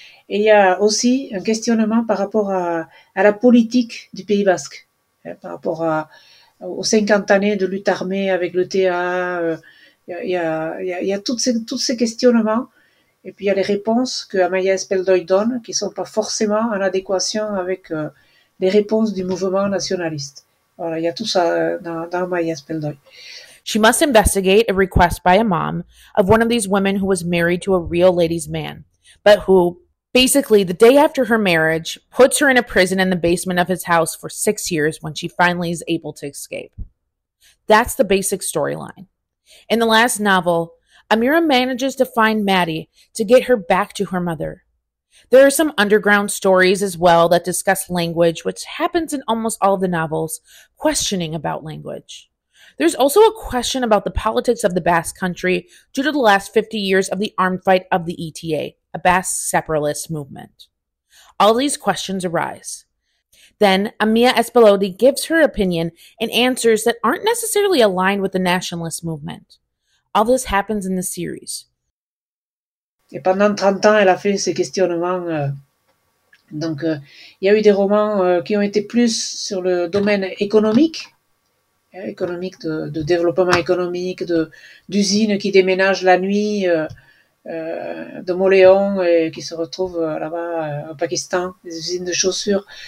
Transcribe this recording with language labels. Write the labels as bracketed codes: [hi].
[fr] Et il y a aussi un questionnement par rapport à la politique du Pays Basque, hein, par rapport aux 50 années de lutte armée avec le TA. Il y a tous ces questionnements. Et puis il y a les réponses que Amaya Speldoy donne qui ne sont pas forcément en adéquation avec les réponses du mouvement nationaliste. Voilà, il y a tout ça dans Maya Spendoy. [en] She must investigate a request by a mom of one of these women who was married to a real ladies' man, but who, basically, the day after her marriage, puts her in a prison in the basement of his house for 6 years when she finally is able to escape. That's the basic storyline. In the last novel, Amira manages to find Maddie to get her back to her mother. There are some underground stories as well that discuss language, which happens in almost all the novels, questioning about language. There's also a question about the politics of the Basque Country due to the last 50 years of the armed fight of the ETA, a Basque separatist movement. All these questions arise. Then, Amira Espelodi gives her opinion and answers that aren't necessarily aligned with the nationalist movement. All this happens in the series. [fr] Et pendant 30 ans, elle a fait ces questionnements. Donc, il y a eu des romans qui ont été plus sur le domaine économique, économique de développement économique, d'usines qui déménagent la nuit, de Moléon et qui se retrouvent là-bas au Pakistan, des usines de chaussures.